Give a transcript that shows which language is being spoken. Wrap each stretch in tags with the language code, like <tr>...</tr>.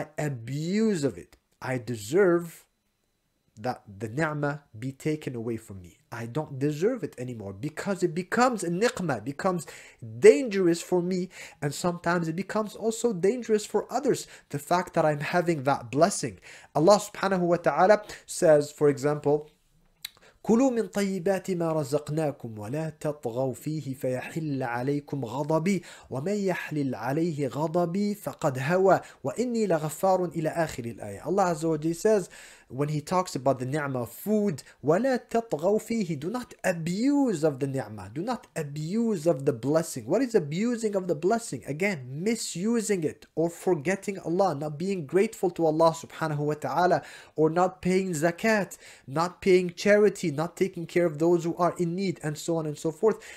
<en>I abuse of it. I deserve that the ni'mah be taken away from me. I don't deserve it anymore because it becomes a ni'mah, becomes dangerous for me, and sometimes it becomes also dangerous for others, the fact that I'm having that blessing. Allah subhanahu wa ta'ala says, for example,</en> <ar>كُلُوا مِن طَيِّبَاتِ مَا رَزَقْنَاكُمْ وَلَا تَطْغَوْا فِيهِ فَيَحِلَّ عَلَيْكُمْ غَضَبِي وَمَن يَحْلِلْ عَلَيْهِ غَضَبِي فَقَدْ هَوَى وَإِنِّي لَغَفَّارٌ إِلَى آخِرِ الْآيَةِ.</ar> <en>Allah Azza wa Jalla says, when He talks about the ni'mah of food,</en> <ar>وَلَا تَطْغَوْا فِيهِ,</ar> <en>do not abuse of the ni'mah, do not abuse of the blessing. What is abusing of the blessing? Again, misusing it or forgetting Allah, not being grateful to Allah subhanahu wa ta'ala, or not paying zakat, not paying charity, not taking care of those who are in need, and so on and so forth.</en>